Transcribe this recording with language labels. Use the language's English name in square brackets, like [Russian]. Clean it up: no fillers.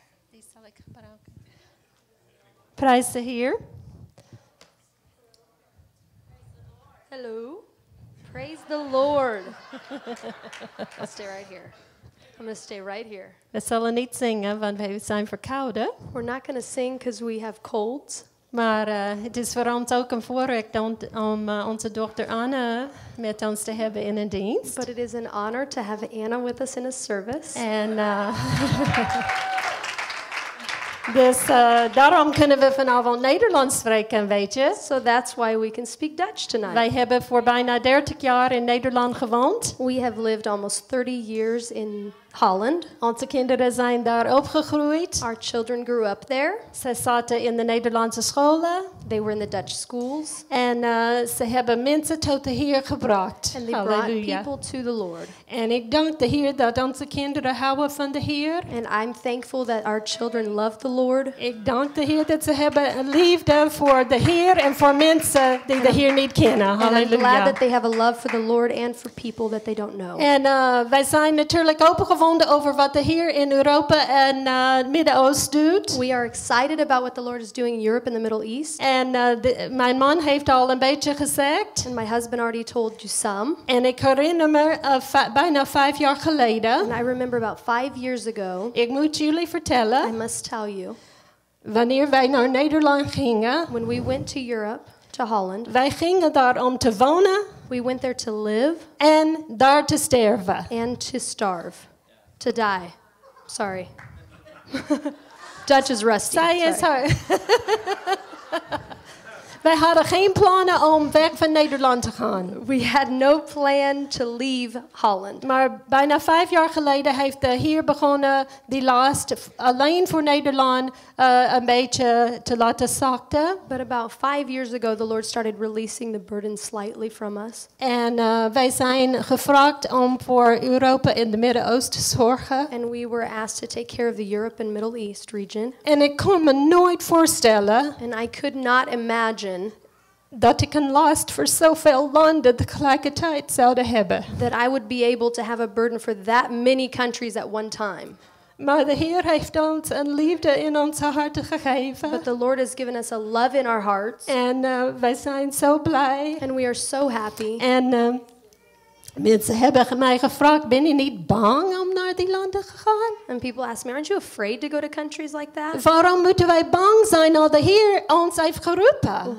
[Dutch] Die zal ik gebruiken. [English] Praise the [Dutch] Heer. [English] Hello. Praise the Lord. I'll stay right here. I'm going to stay right here. [Dutch] We zullen niet zingen, want we zijn verkouden. [English] We're not going to sing because we have colds. [Dutch] Maar het is voor ons ook een voorrecht om onze dochter Anna met ons te hebben in een dienst. [English] But it is an honor to have Anna with us in a service. [Dutch] En dus daarom kunnen we vanavond Nederlands spreken, weet je. [English] So that's why we can speak Dutch tonight. [Dutch] Wij hebben voor bijna 30 jaar in Nederland gewoond. [English] We have lived almost 30 years in Holland. [Dutch] Onze kinderen zijn daar opgegroeid. [English] Our children grew up there. [Dutch] Ze zaten in de Nederlandse scholen. [English] They were in the Dutch schools. [Dutch] En ze hebben mensen tot de Heer gebracht. [English] And they [Dutch] Halleluja. [English] Brought people to the Lord. [Dutch] En ik dank de Heer dat onze kinderen houden van de Heer. [English] And I'm thankful that our children love the Lord. [Dutch] Ik dank de Heer dat ze hebben een liefde voor de Heer en voor mensen die de Heer niet kennen. Halleluja. [English] And I'm glad that they have a love for the Lord and for people that they don't know. [Dutch] En wij zijn natuurlijk opengevonden over wat de Heer in Europa en Midden-Oosten doet. [English] We are excited about what the Lord is doing in Europe and the Middle East. [Dutch] En mijn man heeft al een beetje gezegd. [English] And my husband already told you some. [Dutch] En ik herinner me bijna 5 jaar geleden. [English] And I remember about 5 years ago. [Dutch] Ik moet jullie vertellen. [English] I must tell you. [Dutch] Wanneer wij naar Nederland gingen. [English] When we went to Europe, to Holland. [Dutch] Wij gingen daar om te wonen. [English] We went there to live. [Dutch] En daar te sterven. [English] And to starve. To die. Sorry. Dutch is rusty. [Dutch] Zij is hard. Wij hadden geen plannen om weg van Nederland te gaan. [English] We had no plan to leave Holland. [Dutch] Maar bijna 5 jaar geleden heeft de Heer begonnen die last alleen voor Nederland een beetje te laten zakken. [English] But about 5 years ago, the Lord started releasing the burden slightly from us. [Dutch] En wij zijn gevraagd om voor Europa en de Midden-Oosten te zorgen. [English] And we were asked to take care of the Europe and Middle East region. [Dutch] En ik kon me nooit voorstellen. [English] And I could not imagine. [Dutch] Dat ik een last voor zoveel landen tegelijkertijd zouden hebben. [English] That I would be able to have a burden for that many countries at one time. [Dutch] Maar de Heer heeft ons een liefde in onze harten gegeven. [English] But the Lord has given us a love in our hearts. [Dutch] En wij zijn zo blij. [English] And we are so happy. [Dutch] En mensen hebben mij gevraagd, ben je niet bang om naar die landen gegaan? [English] And people ask me, aren't you afraid to go to countries like that? [Dutch] Waarom moeten wij bang zijn als de Heer ons heeft geroepen?